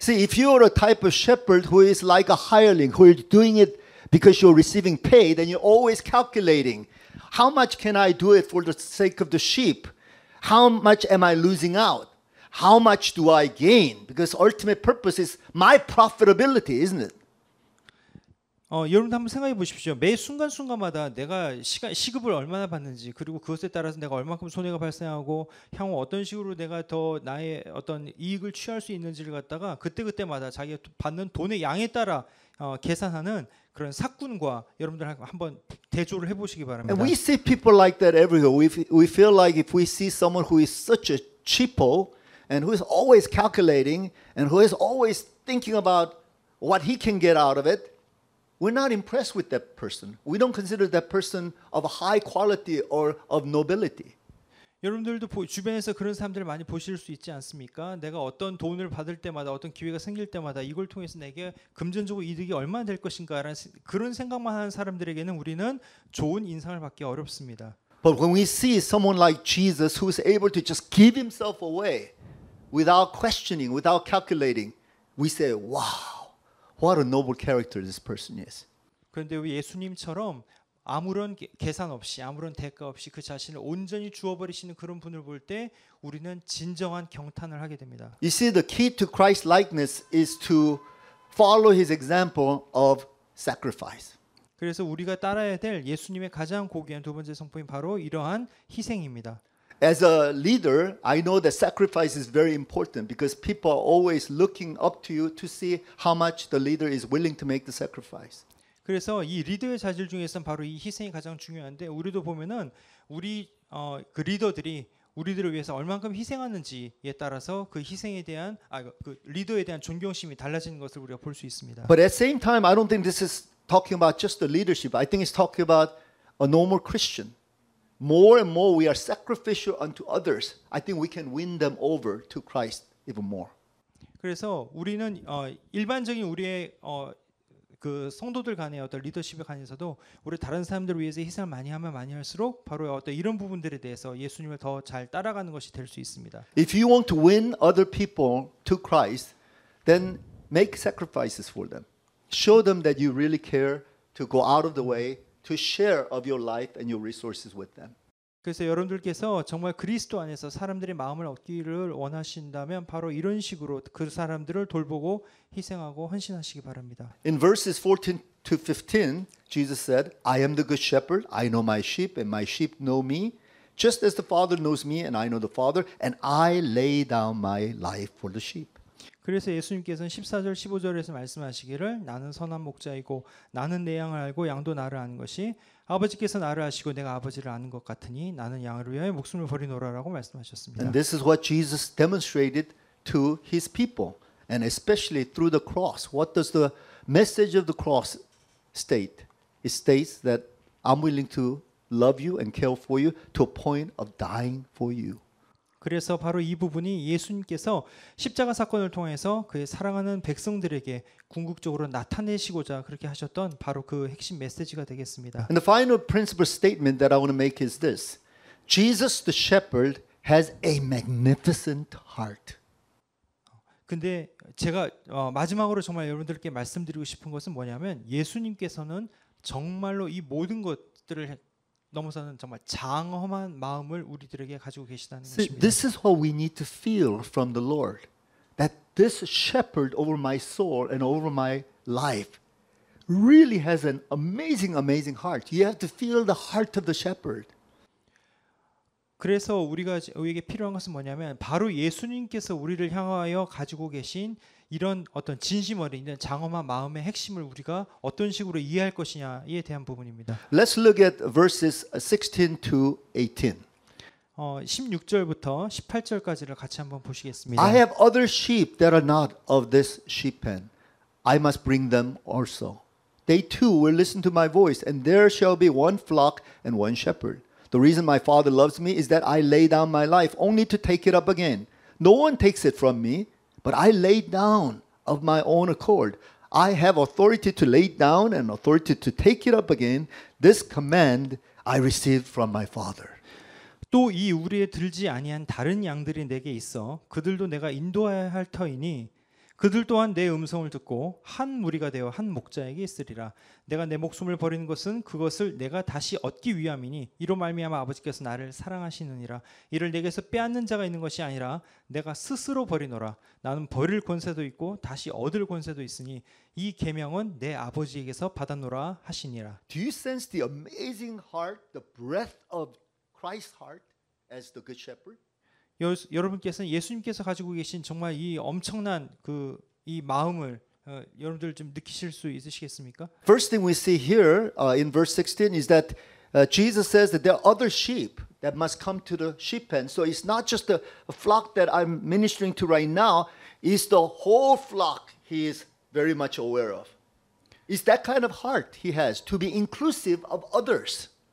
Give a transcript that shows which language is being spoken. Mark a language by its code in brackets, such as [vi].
[en] See, if you are a type of shepherd who is like a hireling who is doing it because you're receiving pay, then you're always calculating how much can I do it for the sake of the sheep? How much am I losing out? How much do I gain? Because ultimate purpose is my profitability, isn't it? [ko] 여러분 한번 생각해 보십시오. 매 순간순간마다 내가 시급을 얼마나 받는지 그리고 그것에 따라서 내가 얼마큼 손해가 발생하고 향후 어떤 식으로 내가 더 나의 어떤 이익을 취할 수 있는지를 갖다가 그때그때마다 자기가 받는 돈의 양에 따라 계산하는 그런 삭군과 여러분들 한번 대조를 해 보시기 바랍니다. [en] And we see people like that everywhere. We feel like if we see someone who is such a cheapo and who is always calculating and who is always thinking about what he can get out of it, We're not impressed with that person. We don't consider that person of high quality or of nobility. [ko] 여러분들도 주변에서 그런 사람들을 많이 보실 수 있지 않습니까? 내가 어떤 돈을 받을 때마다 어떤 기회가 생길 때마다 이걸 통해서 내게 금전적으로 이득이 얼마나 될 것인가라는 그런 생각만 하는 사람들에게는 우리는 좋은 인상을 받기 어렵습니다. [en] But when we see someone like Jesus who is able to just give himself away without questioning, without calculating, we say, "Wow." What a noble character this person is. [ko] 그런데 예수님처럼 아무런 계산 없이 아무런 대가 없이 그 자신을 온전히 주어버리시는 그런 분을 볼 때 우리는 진정한 경탄을 하게 됩니다. [en] You see, the key to Christ likeness is to follow his example of sacrifice. [ko] 그래서 우리가 따라야 될 예수님의 가장 고귀한 두 번째 성품이 바로 이러한 희생입니다. [en] As a leader, I know that sacrifice is very important because people are always looking up to you to see how much the leader is willing to make the sacrifice. [ko] 그래서 이 리더의 자질 중에서는 바로 이 희생이 가장 중요한데 우리도 보면은 우리 그 리더들이 우리들을 위해서 얼만큼 희생하는지에 따라서 그 희생에 대한 아, 그 리더에 대한 존경심이 달라지는 것을 우리가 볼 수 있습니다. [en] But at the same time, I don't think this is talking about just the leadership. I think it's talking about a normal Christian. More and more, we are sacrificial unto others. I think we can win them over to Christ even more. [ko] 그래서 우리는 일반적인 우리의 그 성도들 간의 어떤 리더십에 관해서도 우리 다른 사람들을 위해서 희생을 많이 하면 많이 할수록 바로 어떤 이런 부분들에 대해서 예수님을 더 잘 따라가는 것이 될 수 있습니다. [en] If you want to win other people to Christ, then make sacrifices for them. Show them that you really care to go out of the way to share of your life and your resources with them. [ko] 그래서 여러분들께서 정말 그리스도 안에서 사람들의 마음을 얻기를 원하신다면 바로 이런 식으로 그 사람들을 돌보고 희생하고 헌신하시기 바랍니다. [en] In verses 14 to 15, Jesus said, I am the good shepherd. I know my sheep and my sheep know me. Just as the Father knows me and I know the Father, and I lay down my life for the sheep. [ko] 그래서 예수님께서는 14절, 15절에서 말씀하시기를 나는 선한 목자이고 나는 내 양을 알고 양도 나를 아는 것이 아버지께서 나를 아시고 내가 아버지를 아는 것 같으니 나는 양을 위하여 목숨을 버리노라라고 말씀하셨습니다. [en] And this is what Jesus demonstrated to his people and especially through the cross. What does the message of the cross state? It states that I'm willing to love you and care for you to a point of dying for you. [ko] 그래서 바로 이 부분이 예수님께서 십자가 사건을 통해서 그의 사랑하는 백성들에게 궁극적으로 나타내시고자 그렇게 하셨던 바로 그 핵심 메시지가 되겠습니다. [en] And the final principle statement that I want to make is this. Jesus the shepherd has a magnificent heart. [ko] 근데 제가 마지막으로 정말 여러분들께 말씀드리고 싶은 것은 뭐냐면 예수님께서는 정말로 이 모든 것들을 넘어서는 정말 장엄한 마음을 우리들에게 가지고 계시다는 [en] See, [ko] 것입니다. [en] This is what we need to feel from the Lord. That this shepherd over my soul and over my life really has an amazing, amazing heart. You have to feel the heart of the shepherd. [ko] 그래서 우리에게 필요한 것은 뭐냐면 바로 예수님께서 우리를 향하여 가지고 계신 이런 어떤 진심 어린 장엄한 마음의 핵심을 우리가 어떤 식으로 이해할 것이냐에 대한 부분입니다. [en] Let's look at verses 16 to 18. [ko] 16절부터 18절까지를 같이 한번 보시겠습니다. [en] I have other sheep that are not of this sheep pen. I must bring them also. They too will listen to my voice, and there shall be one flock and one shepherd. The reason my father loves me is that I lay down my life only to take it up again. No one takes it from me. But I lay down of my own accord. I have authority to lay down and authority to take it up again. This command I received from my Father. [ko] 또 이 우리에 들지 아니한 다른 양들이 내게 있어 그들도 내가 인도하여 할 터이니 그들 또한 내 음성을 듣고 한 무리가 되어 한 목자에게 있으리라. 내가 내 목숨을 버리는 것은 그것을 내가 다시 얻기 위함이니 이로 말미암아 아버지께서 나를 사랑하시느니라. 이를 내게서 빼앗는 자가 있는 것이 아니라 내가 스스로 버리노라. 나는 버릴 권세도 있고 다시 얻을 권세도 있으니 이 계명은 내 아버지에게서 받아노라 하시니라. [en] Do you sense the amazing heart, the breath of Christ's heart as the good shepherd? [ko] 여러분께서는 예수님께서 가지고 계신 정말 이 엄청난 그 이 마음을 여러분들 좀 느끼실 수 있으시겠습니까? [en] First thing we see here in verse 16 is that Jesus says that there are other sheep that must come to the sheep pen. So it's not just the flock that I'm ministering to right now. It's the whole flock he is very much aware of. It's that kind of heart he has to be inclusive of others.